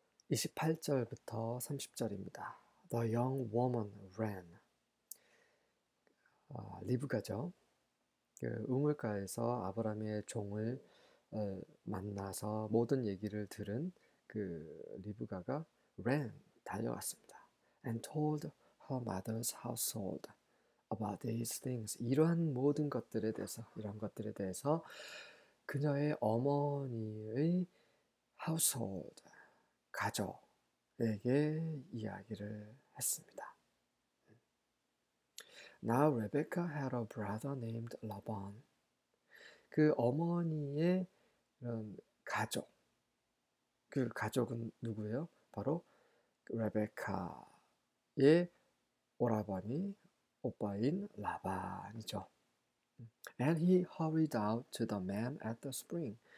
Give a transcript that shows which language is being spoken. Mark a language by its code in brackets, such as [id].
[ko] 28절부터 30절입니다. [en] The young woman ran. [ko] 리브가죠. 우물가에서 아브라함의 종을 만나서 모든 얘기를 들은 리브가가 ran 달려갔습니다. [en] And told her mother's household about these things. [ko] 이러한 모든 것들에 대해서, 이런 것들에 대해서 그녀의 어머니의 household 가족에게 이야기를 했습니다. [en] Now Rebecca had a brother named Laban. [ko] 그 어머니의 이런 가족, 그 가족은 누구예요? 바로 레베카의 오라버니, 오빠인 라반이죠. [en] And he hurried out to the man at the spring.